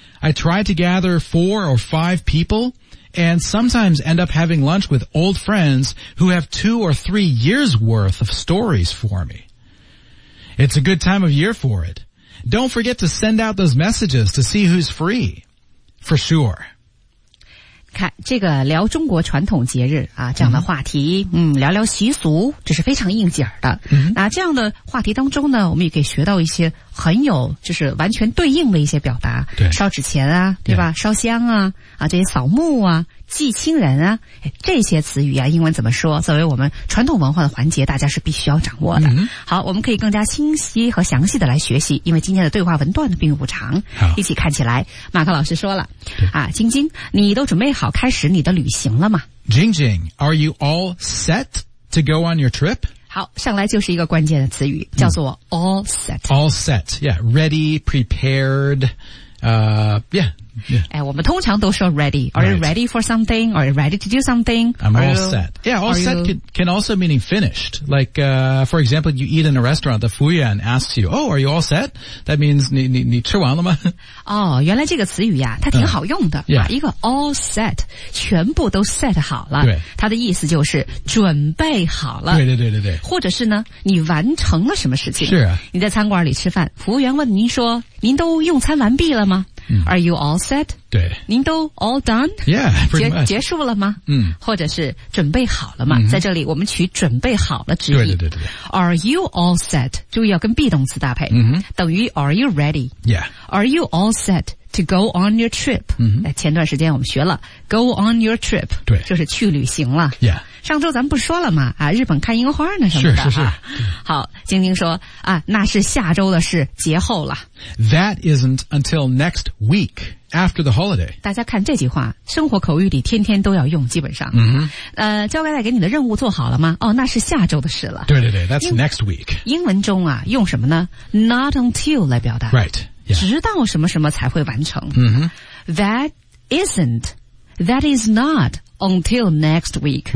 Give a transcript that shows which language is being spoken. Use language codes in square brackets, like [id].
[en] I tried to gather 4 or 5 people... And sometimes end up having lunch with old friends who have 2 or 3 years worth of stories for me. It's a good time of year for it. Don't forget to send out those messages to see who's free. For sure. [zh] 看这个聊中国传统节日啊这样的话题，聊聊习俗，这是非常应景的。那这样的话题当中呢，我们也可以学到一些很有就是完全对应的一些表达，对，烧纸钱啊，对吧？烧香啊，这些扫墓啊，祭亲人啊，这些词语啊，英文怎么说？作为我们传统文化的环节，大家是必须要掌握的。好，我们可以更加清晰和详细的来学习，因为今天的对话文段并不长。一起看起来，马克老师说了，晶晶，你都准备好开始你的旅行了吗 [en] ？Jing Jing, are you all set to go on your trip? [zh] 好，上来就是一个关键的词语，叫做 all set。 [en] All set, yeah, ready, prepared, yeah. Yeah. [zh] 哎，我们通常都说 [en] ready. Are you ready for something? Are you ready to do something? I'm all set. Yeah, all set can also mean finished. Like, for example, you eat in a restaurant, the Fuyan asks you, oh, are you all set? That means [zh] 你吃完了吗？哦，原来这个词语呀，它挺好用的。 [en] Yeah. [zh] 一个 all set, 全部都 set 好了。对。它的意思就是准备好了。对对对对对。或者是呢，你完成了什么事情。是啊。你在餐馆里吃饭，服务员问您说，您都用餐完毕了吗？ [en] Are you all set? [zh] 对。您都 [en] all done? Yeah, pretty much. [zh] 结束了吗？或者是准备好了吗？在这里我们取准备好了之意。对对对对。 [en] Are you all set? [zh] 注意要跟 be 动词搭配。等于 [en] are you ready? Yeah. Are you all set? to go on your trip. [zh] 前段时间我们学了 [en] go on your trip. [zh] 对，就是去旅行了。 [en] Yeah. [zh] 上周咱们不说了吗？啊，日本看樱花呢什么的。是是是。好，晶晶说啊，那是下周的事，节后了。 [en] That isn't until next week after the holiday. [zh] 大家看这句话，生活口语里天天都要用，基本上。交给带给你的任务做好了吗？哦，那是下周的事了。对对对 [en] ，That's next week. [zh] 英文中啊，用什么呢 ？Not until 来表达。 [en] Right. Yeah. [zh] 直到什么什么才会完成。 [en] That isn't, that is not until next week.